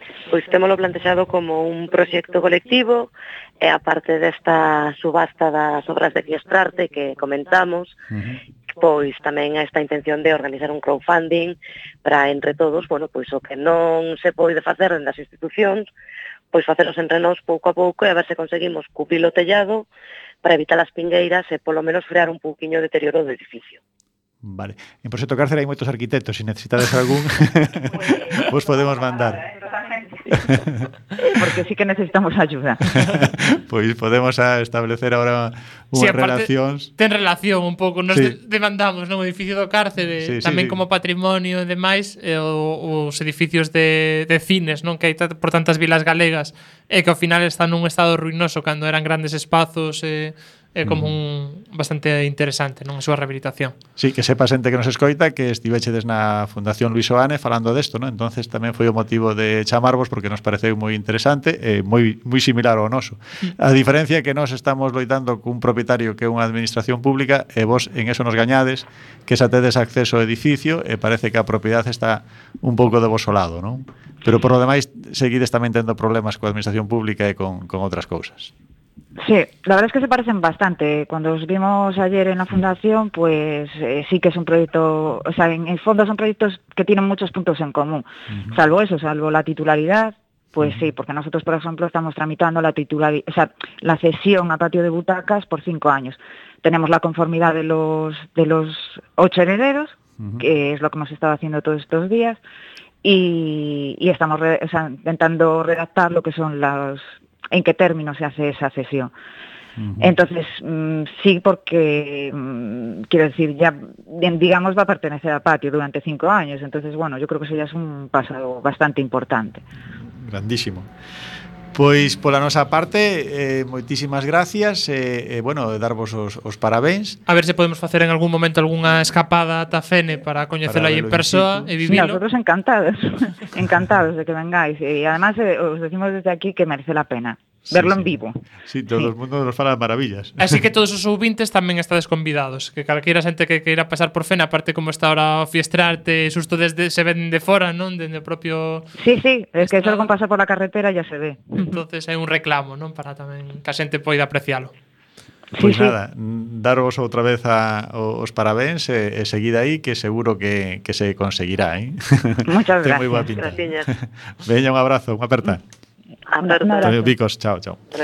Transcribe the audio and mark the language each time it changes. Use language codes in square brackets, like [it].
[gl] Pois témolo plantexado como un proxecto colectivo, e aparte desta subasta das obras de Fiestrarte que comentamos, uh-huh, pois tamén a esta intención de organizar un crowdfunding para entre todos, bueno, pois o que non se pode facer en das institucións, pois facernos entre nós pouco a pouco e a ver se conseguimos cubrir o tellado para evitar as pingueiras e polo menos frear un pouquiño de deterioro do edificio. Vale. En Proxecto Cárcere hai moitos arquitectos, se necesitades algún, vos podemos mandar. [es] porque sí que necesitamos ayuda. Pues podemos establecer ahora unas relaciones. [gl] Ten relación un poco, nos demandamos, ¿no? O edificio do cárcere, sí, como patrimonio e demais, os edificios de cines, ¿no? Que hai por tantas vilas galegas, que ao final están nun estado ruinoso cando eran grandes espazos... como un bastante interesante, non, a súa rehabilitación. Sí, que sepa xente que nos escoita que estivechedes na Fundación Luis Oane falando desto, non? Entonces tamén foi o motivo de chamarvos porque nos pareceu moi interesante, moi similar ao noso. A diferencia é que nós estamos loitando cun propietario que é unha administración pública e vos en eso nos gañades, que xa tedes acceso ao edificio e parece que a propiedade está un pouco de vos lado, non? Pero por lo demais seguides tamén tendo problemas coa administración pública e con outras cousas. [es] Sí, la verdad es que se parecen bastante. Cuando os vimos ayer en la fundación, pues sí que es un proyecto, o sea, en el fondo son proyectos que tienen muchos puntos en común, salvo eso, salvo la titularidad, pues sí, porque nosotros, por ejemplo, estamos tramitando la titularidad, o sea, la cesión a patio de butacas por 5 años. Tenemos la conformidad de los 8 herederos, que es lo que hemos estado haciendo todos estos días, y estamos intentando redactar lo que son las... ¿En qué término se hace esa cesión? Entonces, sí, porque, quiero decir, ya, digamos, va a pertenecer al patio durante 5 años. Entonces, bueno, yo creo que eso ya es un paso bastante importante. [gl] Grandísimo. Pois, pola nosa parte, moitísimas gracias. Bueno, darvos os parabéns. A ver se podemos facer en algún momento algunha escapada a Tafene para coñecelo aí en persoa e vivilo. [es] Sí, nosotros encantados. Encantados de que vengáis. E además, os decimos desde aquí que merece la pena verlo en vivo. [gl] Sí, todo o mundo nos fala maravillas. Así que todos os ouvintes tamén estades convidados. Que calquera xente que queira pasar por Fene, aparte como está ahora o fiestrarte, susto desde se ven de fora, non? Dende o propio... Sí, sí, é que xa con pasar por a carretera ya se ve. Entonces hai un reclamo, non? Para tamén que a xente poida apreciálo. Pois sí, nada, sí. Daros outra vez os parabéns e seguida aí, que seguro que se conseguirá, ¿eh? [es] Muchas gracias. [gl] Moi boa pinta. [es] Gracias. [gl] Veña, un abrazo, unha aperta. Adiós, Vicos. Chao, chao.